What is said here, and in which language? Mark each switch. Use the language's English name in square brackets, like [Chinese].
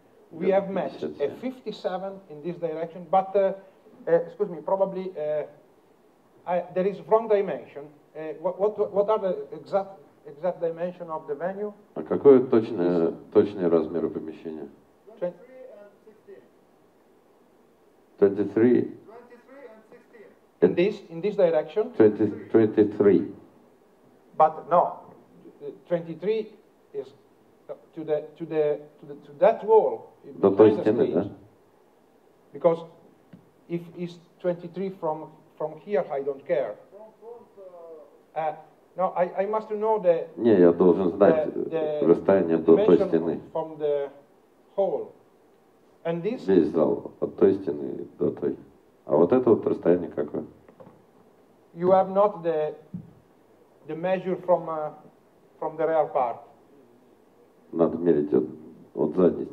[English] We have matched a 57 in this direction, but excuse me, probably there is wrong dimension. What are the exact dimension of the venue? [Russian] А какое точное размеры помещения? [English] 23. In this direction? 23. But no, 23 is to that wall. [Russian] До той стены, да? [English] Because if it's 23 from here, I don't care. No, I must know the. [Russian] Не, я должен знать расстояние до той стены. [English] From the hall. And this. [Russian] Весь зал от той стены до той. А вот это вот расстояние какое? [English] You have not the measure from the rear part. [Russian] Надо мерить от задней стенки.